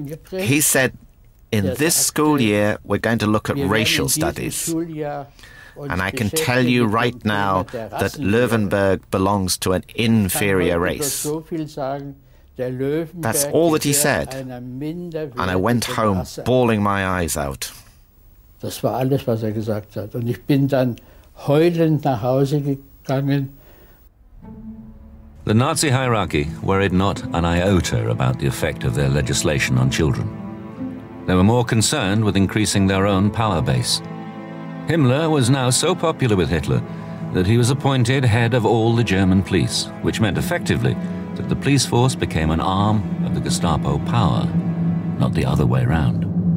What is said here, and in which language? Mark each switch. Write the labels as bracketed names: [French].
[English] He said, in this school year, we're going to look at racial studies. and I can tell you right now that Löwenberg belongs to an inferior race. That's all that he said, and I went home bawling my eyes out. [German] Das war alles, was er gesagt hat. Und ich bin dann heulend nach Hause gegangen. [English] The Nazi hierarchy worried not an iota about the effect of their legislation on children. They were more concerned with increasing their own power base. Himmler was now so popular with Hitler that he was appointed head of all the German police, which meant effectively that the police force became an arm of the Gestapo power, not the other way around.